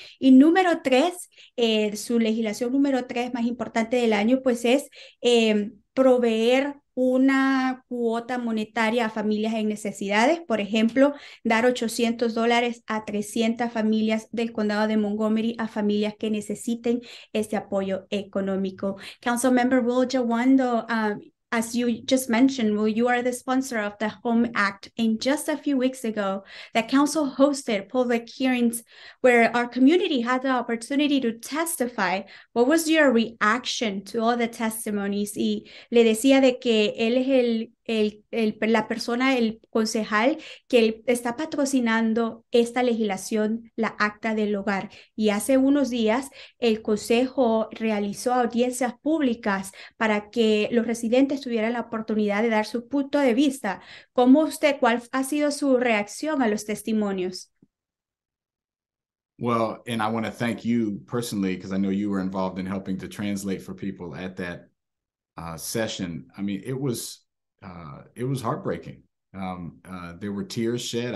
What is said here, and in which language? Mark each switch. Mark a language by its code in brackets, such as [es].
[es] Y número tres, su legislación número tres más importante del año, pues es proveer una cuota monetaria a familias en necesidades. Por ejemplo, dar $800 a 300 familias del condado de Montgomery, a familias que necesiten este apoyo económico. [en] Councilmember Will Jawando, as you just mentioned, well, you are the sponsor of the Home Act. And just a few weeks ago, the council hosted public hearings where our community had the opportunity to testify. What was your reaction to all the testimonies? [es] Y le decía de que él es la persona, el concejal, que está patrocinando esta legislación, la Acta del Hogar. Y hace unos días, el consejo realizó audiencias públicas para que los residentes tuvieran la oportunidad de dar su punto de vista. ¿Cómo usted, cuál ha sido su reacción a los testimonios? [en] Well, and I want to thank you personally, because I know you were involved in helping to translate for people at that session. I mean, it was heartbreaking. There were tears shed.